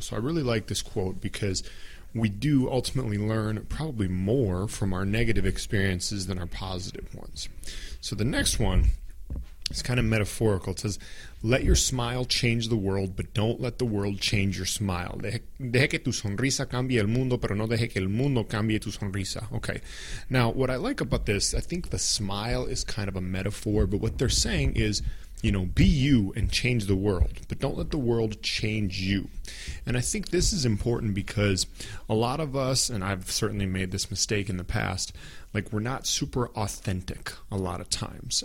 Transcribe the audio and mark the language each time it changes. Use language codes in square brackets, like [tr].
[en] So I really like this quote because we do ultimately learn probably more from our negative experiences than our positive ones. So the next one is kind of metaphorical. It says, let your smile change the world, but don't let the world change your smile. [es] Deje que tu sonrisa cambie el mundo, pero no deje que el mundo cambie tu sonrisa. [en] Okay. Now, what I like about this, I think the smile is kind of a metaphor, but what they're saying is, You know, be you and change the world, but don't let the world change you. And I think this is important because a lot of us, and I've certainly made this mistake in the past, like we're not super authentic a lot of times.